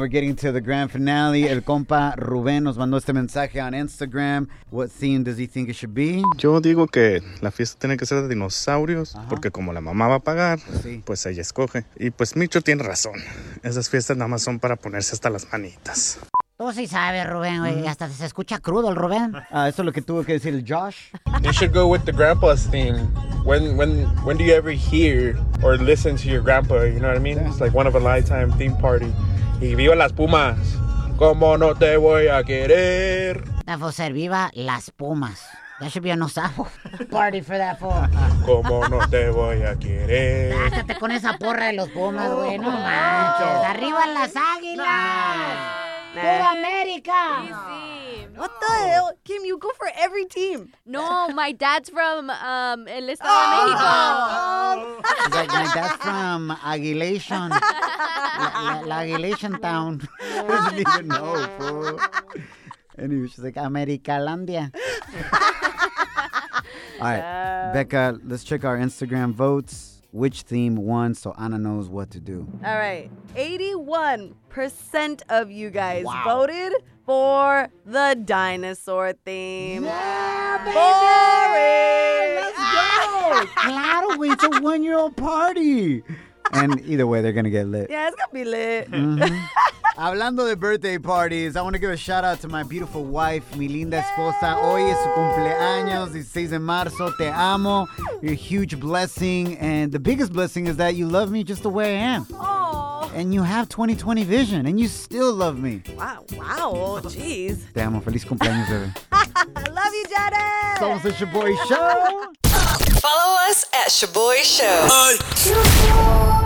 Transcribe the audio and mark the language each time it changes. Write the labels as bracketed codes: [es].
[en] We're getting to the grand finale. [es] El compa Rubén nos mandó este mensaje on Instagram. [en] What theme does he think it should be? [es] Yo digo que la fiesta tiene que ser de dinosaurios. Ajá. Porque como la mamá va a pagar, pues ella escoge. Y pues Micho tiene razón. Esas fiestas nada más son para ponerse hasta las manitas. Tú sí sabes, Rubén, güey. Hasta se escucha crudo el Rubén. Eso es lo que tuvo que decir el Josh. [en] You should go with the grandpa's theme. When do you ever hear or listen to your grandpa? You know what I mean? Yeah. It's like one of a lifetime theme party. [es] Y viva las pumas. Como no te voy a querer. That for ser viva las pumas. [en] That should be a No Sabo party for that fool. [es] Como no te voy a querer. Bájate con esa porra de los pumas, güey. No manches. Arriba las águilas. ¡Pura América! [en] No. What the hell? Kim, you go for every team. No, my dad's from El Estado de México. Like my dad's from Aguilation. La Aguilation Town. I didn't even know, bro. Anyway, she's like, Americalandia. All right, Becca, let's check our Instagram votes. Which theme won so Anna knows what to do? All right. 81% of you guys voted for the dinosaur theme. Yeah, baby! Boring! Let's go! Claro, wait, it's a one-year-old party. And either way, they're going to get lit. Yeah, it's going to be lit. Mm-hmm. Hablando de birthday parties, I want to give a shout-out to my beautiful wife, [es] mi linda esposa. Hoy es su cumpleaños, 16 de marzo. Te amo. [en] You're a huge blessing. And the biggest blessing is that you love me just the way I am. Aww. And you have 20/20 vision, and you still love me. Wow. Jeez. [es] Te amo. Feliz cumpleaños, [en] baby. Love you, Janet. [es] Somos el Shaboy Show. [en] Follow us at Shaboy Show.